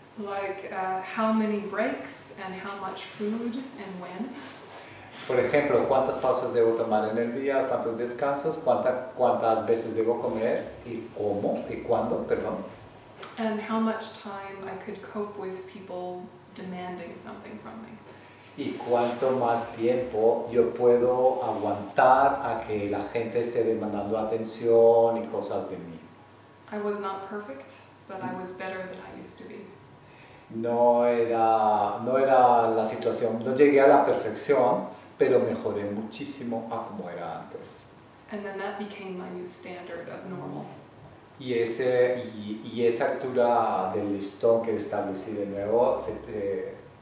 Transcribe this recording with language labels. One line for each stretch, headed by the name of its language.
English: Like how many breaks and how much food and when.
Spanish: Por ejemplo, cuántas pausas debo tomar en el día, cuántos descansos, cuántas veces debo comer y cómo y cuándo, perdón.
English: And how much time I could cope with people demanding something from me.
Spanish: Y cuánto más tiempo yo puedo aguantar a que la gente esté demandando atención y cosas de mí.
English: I was not perfect, but I was better than I used to be.
Spanish: No era la situación, no llegué a la perfección, pero mejoré muchísimo a como era antes.
English: And then that became my new standard of normal.
Spanish: Y esa altura del listón que establecí de nuevo se,